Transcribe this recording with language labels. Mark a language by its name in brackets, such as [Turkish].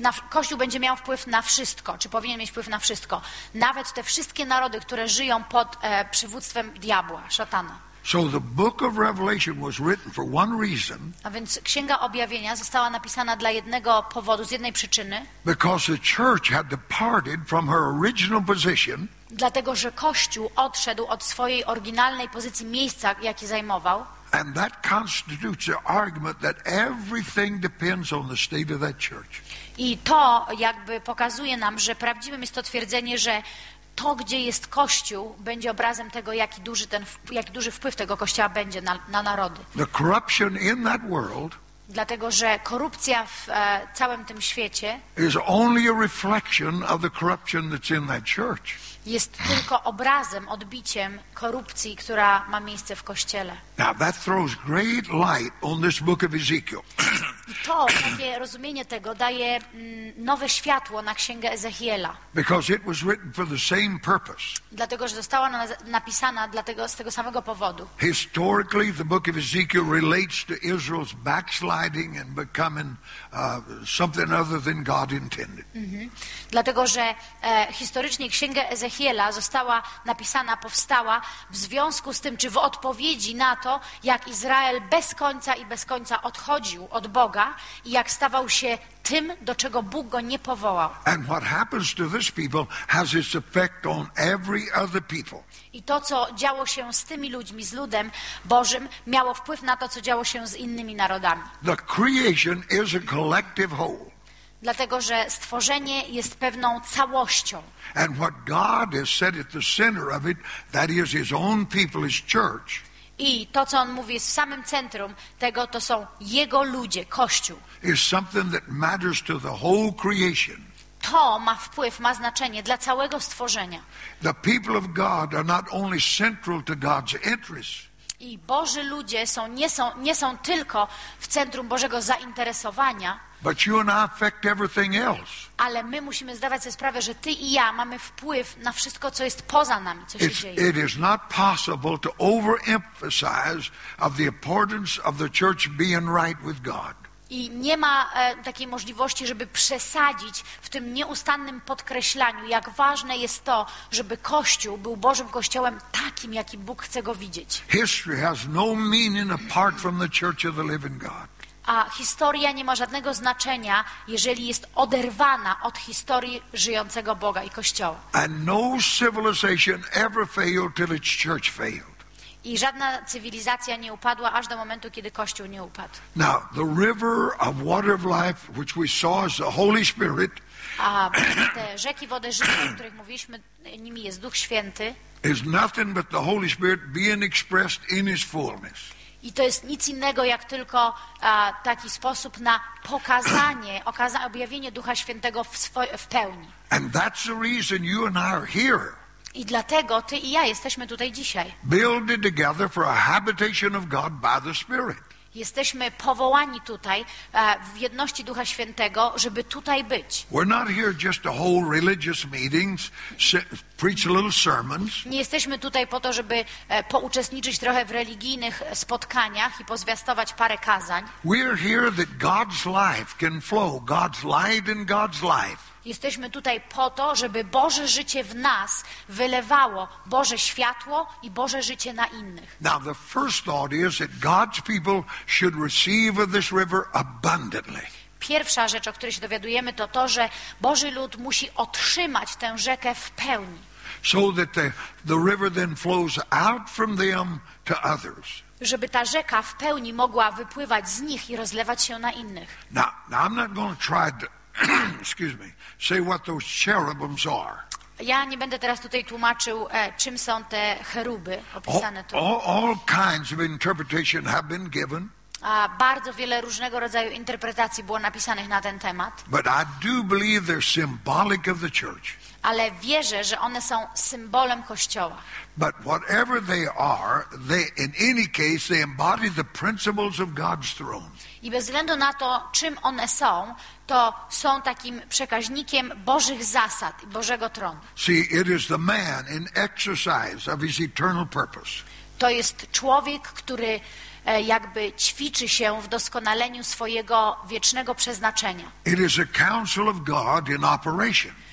[Polish] Kościół będzie miał wpływ na wszystko, czy powinien mieć wpływ na wszystko. Nawet te wszystkie narody, które żyją pod przywództwem diabła, szatana. [English] So the book of Revelation was written for one reason. [Polish] A więc Księga Objawienia została napisana dla jednego powodu, z jednej przyczyny. [English] Because the church had departed from her original position. [Polish] Dlatego, że Kościół odszedł od swojej oryginalnej pozycji, miejsca, jakie zajmował. [English] And that constitutes the argument that everything depends on the state of that church. [Polish] I to jakby pokazuje nam, że prawdziwym jest to twierdzenie, że to, gdzie jest Kościół, będzie obrazem tego, jaki duży wpływ tego Kościoła będzie na narody. [English] The corruption in that world, [Polish] dlatego, że korupcja w całym tym świecie, [English] is only a reflection of the corruption that's in that church. [Polish] Jest tylko obrazem, odbiciem korupcji, która ma miejsce w Kościele. [English] Now that throws great light on this book of Ezekiel. [Polish] To takie rozumienie tego daje nowe światło na Księgę Ezechiela. [English] Because it was written for the same purpose. [Polish] Dlatego, że została ona napisana z tego samego powodu. [English] Historically, the book of Ezekiel relates to Israel's backsliding and becoming something other than God intended. [Polish] Dlatego, że historycznie Księga Ezechiela została napisana, powstała w związku z tym, czy w odpowiedzi na to, jak Izrael bez końca i bez końca odchodził od Boga i jak stawał się tym, do czego Bóg go nie powołał. [English] And what happens to this people has its effect on every other people. [Polish] I to, co działo się z tymi ludźmi, z ludem Bożym, miało wpływ na to, co działo się z innymi narodami. [English] The creation is a collective whole. [Polish] Dlatego, że stworzenie jest pewną całością. [English] And what God has set at the center of it, that is his own people, his church. [Polish] I to, co on mówi, jest w samym centrum tego, to są jego ludzie, Kościół. [English] Is something that matters to the whole creation. [Polish] To ma wpływ, ma znaczenie dla całego stworzenia. [English] The people of God are not only central to God's interests. [Polish] I Boży ludzie nie są tylko w centrum Bożego zainteresowania. [English] But you and I affect everything else. [Polish] Ale my musimy zdawać sobie sprawę, że ty i ja mamy wpływ na wszystko, co jest poza nami, co się dzieje. [English] It is not possible to overemphasize of the importance of the church being right with God. [Polish] I nie ma takiej możliwości, żeby przesadzić w tym nieustannym podkreślaniu, jak ważne jest to, żeby Kościół był Bożym Kościołem takim, jakim Bóg chce go widzieć. [English] History has no meaning apart from the church of the living God. [Polish] A historia nie ma żadnego znaczenia, jeżeli jest oderwana od historii żyjącego Boga i Kościoła. [English] And no civilization ever failed till its church failed. [Polish] I żadna cywilizacja nie upadła aż do momentu, kiedy Kościół nie upadł. [English] Now, the river of water of life, which we saw as the Holy Spirit, [Polish] a te rzeki wody życia, o których mówiliśmy, nimi jest Duch Święty, [English] is nothing but the Holy Spirit being expressed in his fullness. [Polish] I to jest nic innego, jak tylko taki sposób na pokazanie, objawienie Ducha Świętego w pełni. [English] And that's the reason you and I are here. [Polish] I dlatego ty i ja jesteśmy tutaj dzisiaj. [English] Builded together for a habitation of God by the Spirit. [Polish] Jesteśmy powołani tutaj w jedności Ducha Świętego, żeby tutaj być. [English] We're not here just to hold religious meetings, preach little sermons. [Polish] Nie jesteśmy tutaj po to, żeby pouczestniczyć trochę w religijnych spotkaniach i pozwiastować parę kazań. [English] We're here that God's life can flow, God's light in God's life. [Polish] Jesteśmy tutaj po to, żeby Boże życie w nas wylewało Boże światło i Boże życie na innych. [English] Now the first thought is that God's people should receive of this river abundantly. [Polish] Pierwsza rzecz, o której się dowiadujemy, to to, że Boży lud musi otrzymać tę rzekę w pełni. [English] So that the river then flows out from them to others. [Polish] Żeby ta rzeka w pełni mogła wypływać z nich i rozlewać się na innych. [English] Now I'm not going to try to excuse me, say what those cherubims are. [Polish] Ja nie będę teraz tutaj tłumaczył, czym są te cheruby opisane tu. [English] All kinds of interpretation have been given. [Polish] A bardzo wiele różnego rodzaju interpretacji było napisanych na ten temat. [English] But I do believe they're symbolic of the church. [Polish] Ale wierzę, że one są symbolem Kościoła. [English] But whatever they are, they in any case they embody the principles of God's throne. [Polish] I bez względu na to, czym one są, to są takim przekaźnikiem Bożych zasad i Bożego tronu. [English] See, it is the man in exercise of his eternal purpose. [Polish] To jest człowiek, który jakby ćwiczy się w doskonaleniu swojego wiecznego przeznaczenia. [English] It is a counsel of God in operation.